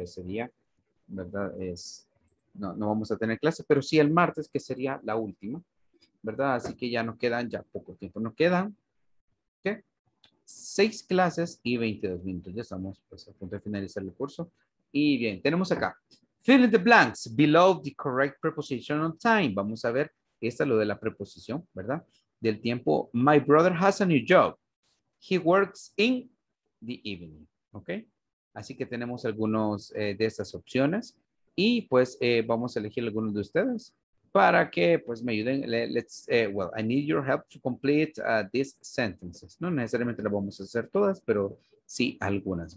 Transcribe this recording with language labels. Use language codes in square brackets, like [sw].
[es] Ese día, ¿verdad? Es, no vamos a tener clase, pero sí el martes, que sería la última, ¿verdad? Así que ya nos quedan, ya poco tiempo nos quedan, ¿qué? 6 clases y 22 minutos. Ya estamos, pues, a punto de finalizar el curso. Y bien, tenemos acá. [en] Fill in the blanks below the correct preposition on time. [es] Vamos a ver, esta es lo de la preposición, ¿verdad? Del tiempo. [en] My brother has a new job. He works in the evening. ¿Ok? [es] Así que tenemos algunas de estas opciones. Y pues vamos a elegir algunos de ustedes para que pues me ayuden. [en] I need your help to complete these sentences. [es] No necesariamente las vamos a hacer todas, pero sí algunas.